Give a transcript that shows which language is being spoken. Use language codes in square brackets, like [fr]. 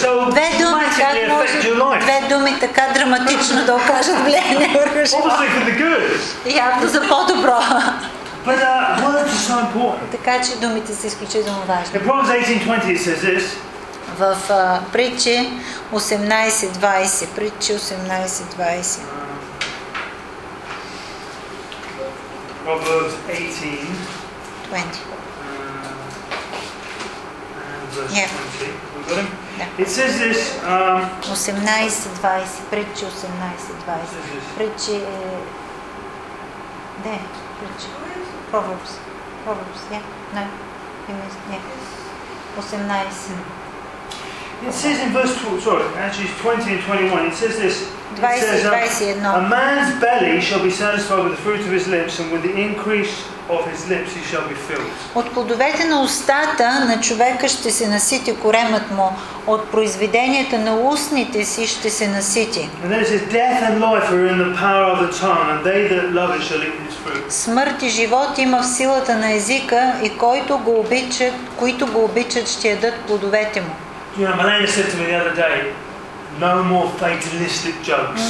[bg] Две думи така драматично да окажат влияние върху живота. Явно за по-добро. [en] But words are so important. [bg] Така че думите са изключително важни. [en] In Proverbs 18:20 it says this. [bg] В притчи 18:20, притчи 18:20. [en] Proverbs 18:20. And verse 20. Yeah. It says this [bg] 18:20, притчи 18:20. Притчи де? Притчи. [en] Proverbs. Proverbs, yeah. No. Yes. 18. It says in verse 12, sorry, actually it's 20 and 21, it says this, a man's belly shall be satisfied with the fruit of his lips, and with the increase of his lips he shall be filled. [bg] От плодовете на устата на човека ще се насити коремът му, от произведенията на устните си ще се насити. [en] And then it says, death and life are in the power of the tongue, and they that love it shall eat its fruit. [bg] Смърт и живот има в силата на езика, и които го обичат ще ядат плодовете му. [en] You know, Malena said to me the other day, no more fatalistic jokes.